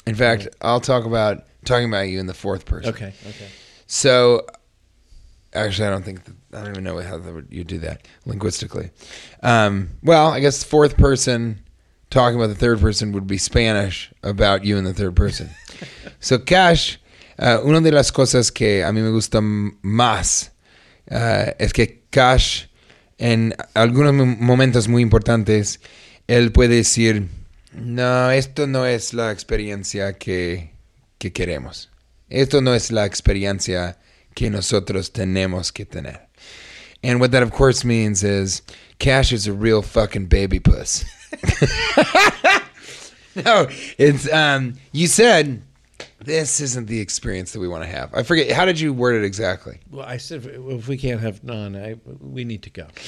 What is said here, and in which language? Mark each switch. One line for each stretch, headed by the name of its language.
English: In fact, I'll talk about you in the fourth person. Okay. So, actually, I don't even know how you do that linguistically. Well, I guess the fourth person talking about the third person would be Spanish about you in the third person. So,
Spanish: Cash, una de las cosas que a mí me gusta más es que Cash, en algunos momentos muy importantes, él puede decir... No, esto no es la experiencia que queremos. Esto no es la experiencia que nosotros tenemos que tener.
English: And what that, of course, means is Cash is a real fucking baby puss. No, it's you said this isn't the experience that we want to have. I forget. How did you word it exactly? Well, I said if we can't have none, we need to go.